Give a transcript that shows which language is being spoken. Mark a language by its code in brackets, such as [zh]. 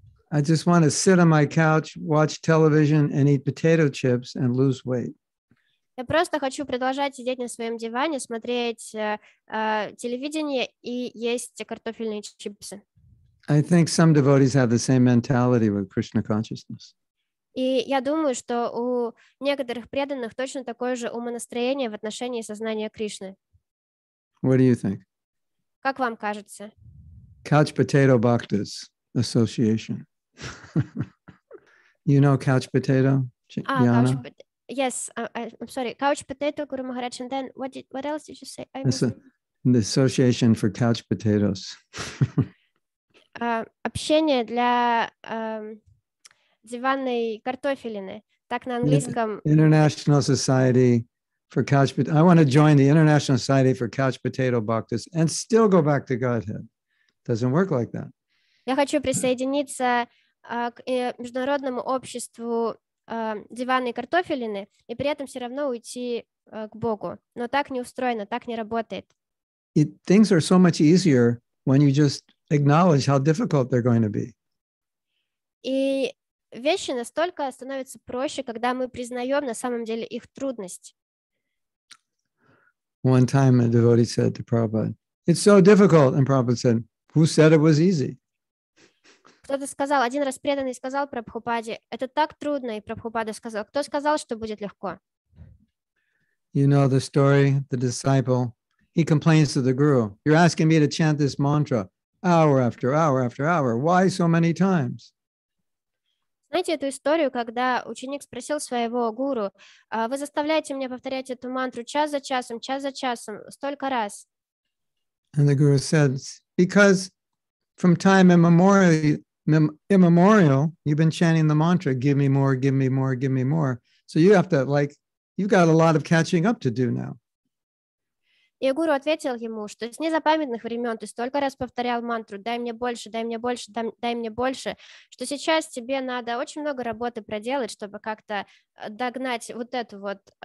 [en] I just want to sit on my couch, watch television and eat potato chips and lose weight. [ru] Я просто хочу продолжать сидеть на своем диване, смотреть телевидение и есть картофельные чипсы. [en] I think some devotees have the same mentality with Krishna consciousness. [ru] И я думаю, что у некоторых преданных точно такое же умонастроение в отношении сознания Кришны. [en] What do you think? [ru] Как вам кажется? [en] Couch Potato Bhaktas Association. You know Couch Potato? Jnana? Yes, I'm sorry. Couch Potato Guru Maharaj. And then what else did you say? The Association for Couch Potatoes. [ru] Общение для... диванной картофелины, так на английском. [en] International Society for Couch Potato. I want to join the International Society for Couch Potato Bhaktas and still go back to Godhead. Doesn't work like that. [ru] Я хочу присоединиться к международному обществу диванной картофелины и при этом все равно уйти к Богу. Но так не устроено, так не работает. [en] Things are so much easier when you just acknowledge how difficult they're going to be. [ru] И вещи настолько становятся проще, когда мы признаем на самом деле их трудность. [en] One time a devotee said to Prabhupada, "It's so difficult," and Prabhupada said, "Who said it was easy?" [ru] Кто-то сказал, один раз преданный сказал Прабхупаде, "Это так трудно," и Прабхупада сказал, "Кто сказал, что будет легко?" [en] You know the story, the disciple, he complains to the guru, "You're asking me to chant this mantra hour after hour after hour. Why so many times?" [ru] Знаете эту историю, когда ученик спросил своего гуру, вы заставляете меня повторять эту мантру час за часом, столько раз. [en] And the guru said, because from time immemorial, you've been chanting the mantra, give me more, give me more, give me more. So you have to, like, you've got a lot of catching up to do now. [ru] И гуру ответил ему, что с незапамятных времен ты столько раз повторял мантру «дай мне больше, дай мне больше, дай мне больше», что сейчас тебе надо очень много работы проделать, чтобы как-то догнать вот эту вот...